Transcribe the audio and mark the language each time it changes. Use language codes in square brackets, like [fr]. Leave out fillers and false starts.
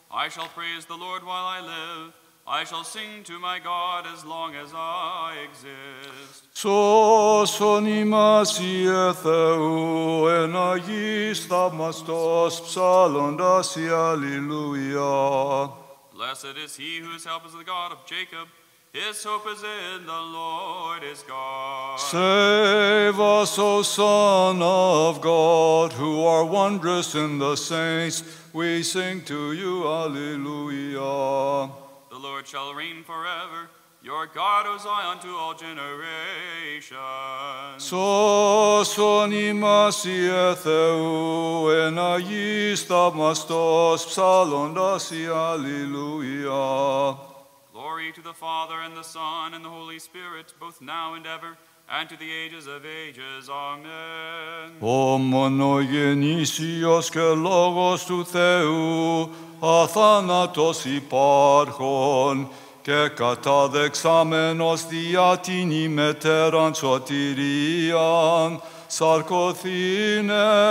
[en] I shall praise the Lord while I live. I shall sing to my God as long as I exist. [el] Σώσον ημάς, Υιέ Θεού, εν αγίης θαυμαστός, ψάλλοντας η Αλληλούια. [en] Blessed is he whose help is the God of Jacob. His hope is in the Lord his God. Save us, O Son of God, who are wondrous in the saints. We sing to you, Alleluia. The Lord shall reign forever. Your God, O Zion, to all generations. [el] Σώσον ημάς, Υιέ Θεού, εν αγίης θαυμαστός, ψάλλοντας η Αλληλούια. [en] Glory to the Father, and the Son, and the Holy Spirit, both now and ever, and to the ages of ages. Amen. [el] Ο μονογεννήσιος και λόγος του Θεού, αθάνατος υπάρχων, και καταδεξάμενος διά την ημετέραν σωτηρίαν, σαρκωθήνε